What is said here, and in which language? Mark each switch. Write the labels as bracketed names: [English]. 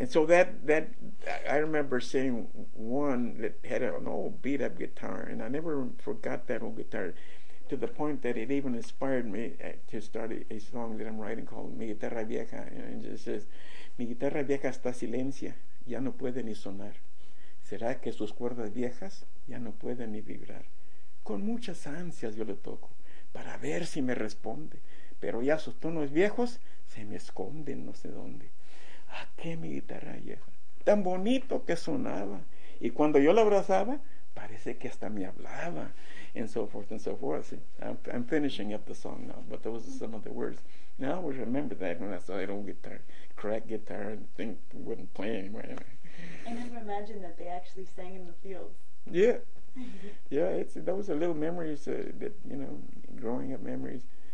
[English] And so that I remember seeing one that had an old beat-up guitar, and I never forgot that old guitar, to the point that it even inspired me to start a song that I'm writing called Mi Guitarra Vieja. And it says, [Spanish] Mi guitarra vieja está silencia, ya no puede ni sonar. ¿Será que sus cuerdas viejas ya no pueden ni vibrar? Con muchas ansias yo le toco, para ver si me responde. Pero ya sus tonos viejos se me esconden no sé dónde. ¡Ah, qué mi guitarra vieja! Tan bonito que sonaba. Y cuando yo la abrazaba, parece que hasta me hablaba. [English] And so forth and so forth. See, I'm finishing up the song now, but those are some of the words. Now I always remember that when I saw that old guitar, crack guitar, and thing wouldn't play anymore. I never imagined that they actually sang in the fields. Yeah. Yeah, those are little memories, that, you know, growing up memories.